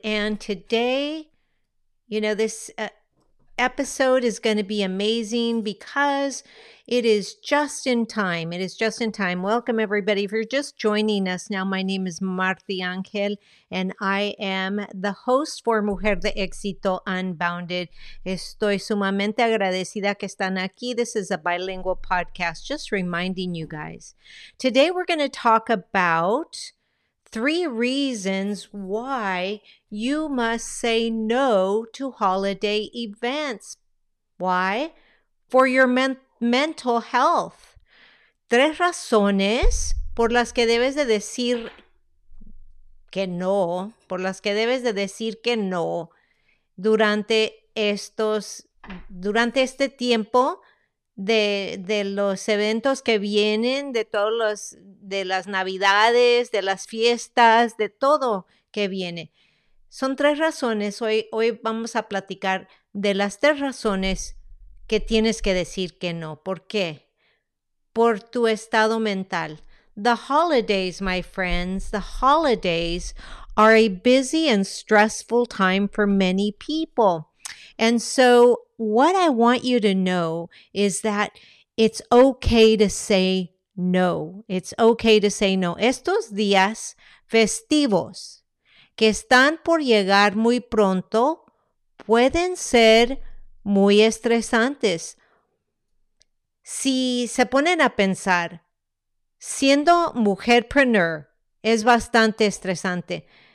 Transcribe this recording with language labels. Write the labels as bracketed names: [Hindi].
[English] And today, you know, this episode is going to be amazing because it is just in time. It is just in time. Welcome, everybody. If you're just joining us now, my name is Marty Angel, and I am the host for Mujer de Éxito Unbounded. [Spanish] Estoy sumamente agradecida que están aquí. [English] This is a bilingual podcast, just reminding you guys. Today, we're going to talk about three reasons why you must say no to holiday events. Why? For your mental health. [Spanish] Tres razones por las que debes de decir que no, por las que debes de decir que no durante este tiempo de los eventos que vienen, de todos los, de las navidades, de las fiestas, de todo que viene. Son tres razones. Hoy vamos a platicar de las tres razones que tienes que decir que no. ¿Por qué? Por tu estado mental. [English] The holidays, my friends, the holidays are a busy and stressful time for many people. And so what I want you to know is that it's okay to say no. It's okay to say no. [Spanish] Estos días festivos que están por llegar muy pronto pueden ser muy estresantes. Si se ponen a pensar, siendo mujerpreneur es bastante estresante.